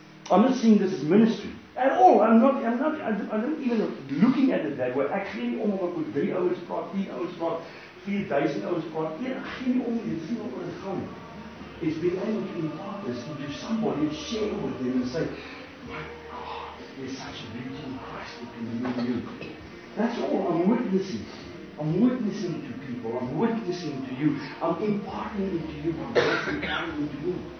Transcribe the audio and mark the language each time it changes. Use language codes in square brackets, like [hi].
[en] I'm not seeing this as ministry at all. I'm not even looking at it that way. [af] Ek gee nie om of ek met 3 ouens praat, 10 ouens praat, 4000 ouens praat. Nee, ek gee nie om nie. Ek sien hoe dit gaan. [en] It's been able to impart this into somebody and share with them and say, my God, there's such a beauty in Christ within you. That's all I'm witnessing. I'm witnessing to people. I'm witnessing to you. I'm imparting into you. I'm imparting into you.